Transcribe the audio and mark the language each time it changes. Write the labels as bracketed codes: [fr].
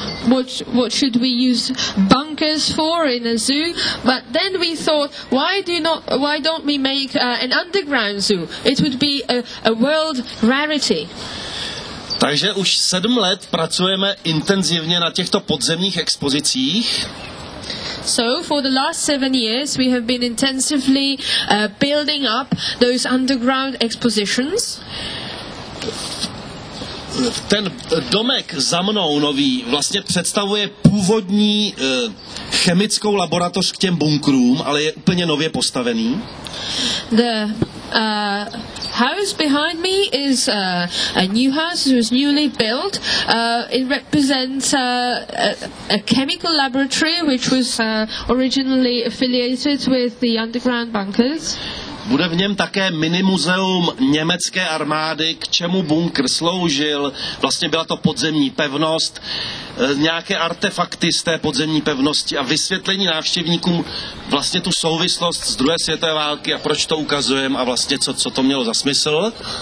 [en] What should we use bunkers for in a zoo? But then we thought, why don't we make an underground zoo? It would be a world rarity. [cs] Takže už 7 let pracujeme intenzivně na těchto podzemních expozicích. [en] So for the last 7 years we have been intensively building up those underground expositions. [cs] Ten domek za mnou nový vlastně představuje původní chemickou laboratoř k těm bunkrům, ale je úplně nově postavený. [en] The house behind me is a new house, it was newly built. It represents a chemical laboratory which was originally affiliated with the underground bunkers. [cs] Bude v něm také minimuzeum německé armády, k čemu bunkr sloužil. Vlastně byla to podzemní pevnost, nějaké artefakty z té podzemní pevnosti a vysvětlení návštěvníkům vlastně tu souvislost z druhé světové války a proč to ukazujeme a vlastně co to mělo za smysl.